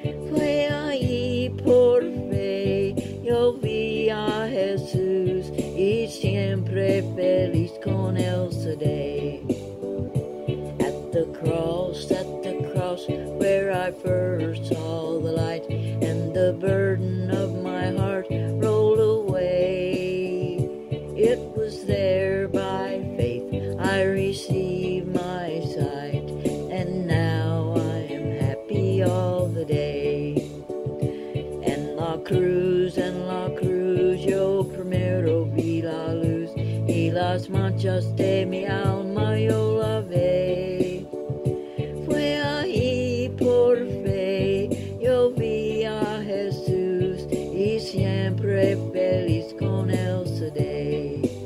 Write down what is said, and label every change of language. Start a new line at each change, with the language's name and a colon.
Spanish: Fue ahí por fe, yo vi a Jesús, y siempre feliz con él seré.
English: At the cross, where I first saw the light, and the burden of my heart rolled away. It was there by faith I received my sight, and now I am happy all the day.
Spanish: En la cruz, en la cruz, yo primero vi la luz, y las manchas de mi alma yo lavé. Fue ahí por fe, yo vi a Jesús, y siempre feliz con él seré.